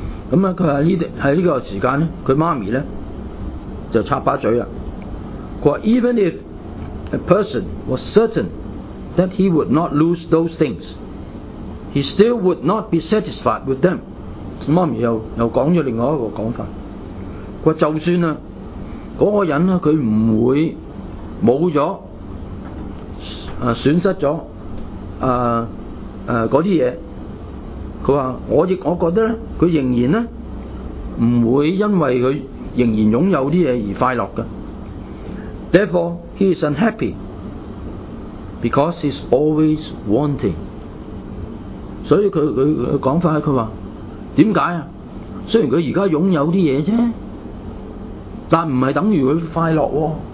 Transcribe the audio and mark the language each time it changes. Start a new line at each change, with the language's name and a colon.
Cantonese: 咁啊，佢喺呢個時間咧，佢媽咪咧就插把嘴啦。佢話
English: ：Even if a person was certain that he would not lose those things, he still would not be satisfied with them。
Cantonese: 媽咪又講咗另外一個講法。佢話就算啊，嗰個人咧，佢唔會冇咗損失咗嗰啲嘢。佢話：我覺得咧，佢仍然咧唔會因為佢仍然擁有啲嘢而快樂嘅。
English: Therefore, he is unhappy because he's always wanting。
Cantonese: 所以佢講法，佢話點解啊？雖然佢而家擁有啲嘢啫，但唔係等於佢快樂喎。